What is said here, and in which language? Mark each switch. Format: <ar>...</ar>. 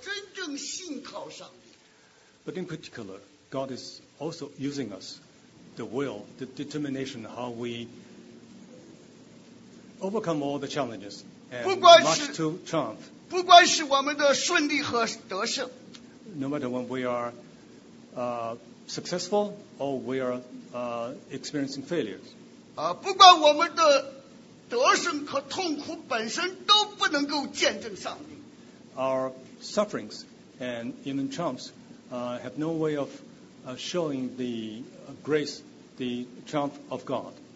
<zh>但是上帝更是使用我们在失败、挣扎、困苦中，我们是如何真正信靠上帝。</zh> <en>But in particular, God is also using us, the will, the determination, how we overcome all the challenges and march to triumph.</en> <zh>不管是我们的顺利和得胜。</zh> <en>No matter when we are successful or we are experiencing failures.</en> <zh>不管我们的得胜和痛苦本身都不能够见证上帝。</zh> <en>Our sufferings and even triumphs have no way of showing the grace, the triumph of God.</en>